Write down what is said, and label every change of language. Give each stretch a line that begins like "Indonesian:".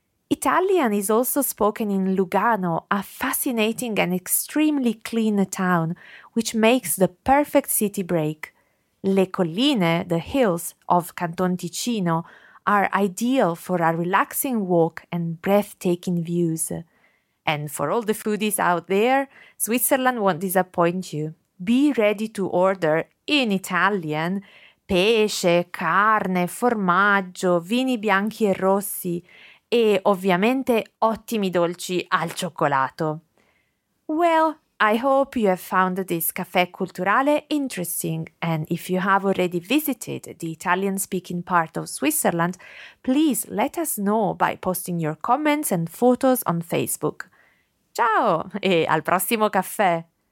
English: Italian is also spoken in Lugano, a fascinating and extremely clean town, which makes the perfect city break.
Italian: Le colline,
English: the hills, of Canton Ticino are ideal for a relaxing walk and breathtaking views. And for all the foodies out there, Switzerland won't disappoint you. Be ready to order, in Italian,
Italian: pesce, carne, formaggio, vini bianchi e rossi, e ovviamente ottimi dolci al cioccolato.
English: Well, I hope you have found this caffè culturale interesting, and if you have already visited the Italian-speaking part of Switzerland, please let us know by posting your comments and photos on Facebook.
Italian: Ciao e al prossimo caffè!